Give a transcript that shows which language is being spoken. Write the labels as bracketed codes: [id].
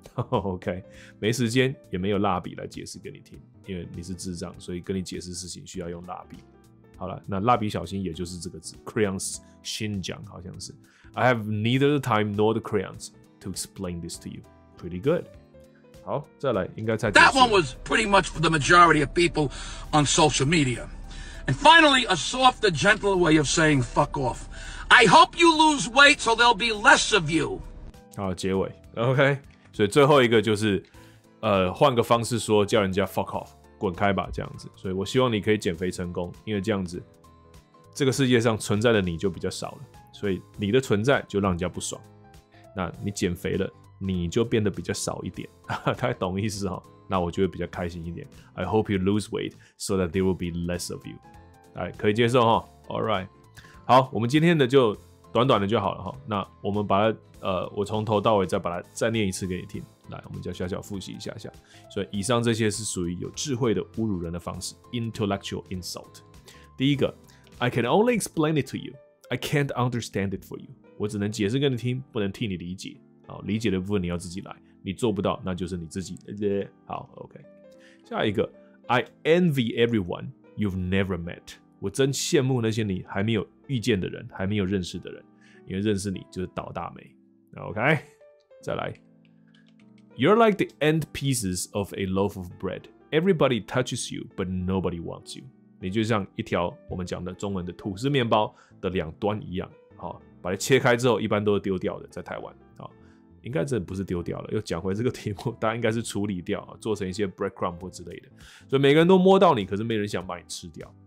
[zh] OK， 没时间也没有蜡笔来解释给你听，因为你是智障，所以跟你解释事情需要用蜡笔。好了，那蜡笔小新也就是这个字 ，crayons 新讲好像是。 [en] I have neither the time nor the crayons to explain this to you. Pretty good. [zh] 好，再来，应该再。 [en] That one was pretty much for the majority of people on social media. And finally, a softer, gentle way of saying fuck off. I hope you lose weight so there'll be less of you. [zh] 好，结尾 ，OK。所以最后一个就是，换个方式说，叫人家 fuck off， 滚开吧，这样子。所以我希望你可以减肥成功，因为这样子，这个世界上存在的你就比较少了，所以你的存在就让人家不爽。那你减肥了，你就变得比较少一点，大家懂意思哈？那我就会比较开心一点。 [en] I hope you lose weight so that there will be less of you。 [zh] 哎，可以接受哈 ？ [en] All right， [zh] 好，我们今天的就。短短的就好了哈。那我们把它，我从头到尾再把它再念一次给你听。来，我们就小小复习一下下。所以以上这些是属于有智慧的侮辱人的方式 ， [en] intellectual insult。 [zh] 第一个 [en] ，I can only explain it to you, I can't understand it for you。 [zh] 我只能解释给你听，不能替你理解。好，理解的部分你要自己来，你做不到，那就是你自己。好 [en] ，OK。 [zh] 下一个 [en] ，I envy everyone you've never met。 [zh] 我真羡慕那些你还没有遇见的人，还没有认识的人，因为认识你就是倒大霉。 OK， 再来。 [en] You're like the end pieces of a loaf of bread. Everybody touches you, but nobody wants you. [zh] 你就像一条我们讲的中文的吐司面包的两端一样，好，把它切开之后，一般都是丢掉的，在台湾。好，应该真的不是丢掉了，又讲回这个题目，大家应该是处理掉，做成一些 breadcrumb 或之类的。所以每个人都摸到你，可是没人想把你吃掉。